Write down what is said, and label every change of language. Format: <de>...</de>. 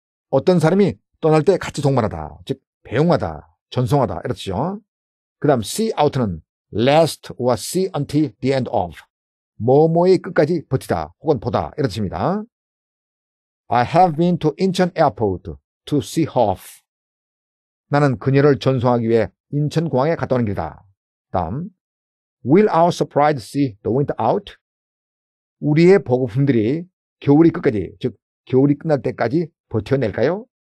<ko>어떤 사람이 떠날 때 같이 동반하다, 즉 배웅하다, 전송하다 이렇죠. 그 다음</ko> <en>see out는 last or see until the end of.</en> <ko>뭐뭐의 끝까지 버티다 혹은 보다 이런 뜻입니다.</ko> <en>I have been to Incheon Airport to see her off.</en> <ko>나는 그녀를 전송하기 위해 인천공항에 갔다 오는 길이다.</ko> <en>다음 Will our supplies see the winter out?</en> <ko>우리의 보급품들이 겨울이 끝까지, 즉 겨울이 끝날 때까지 버텨낼까요?</ko>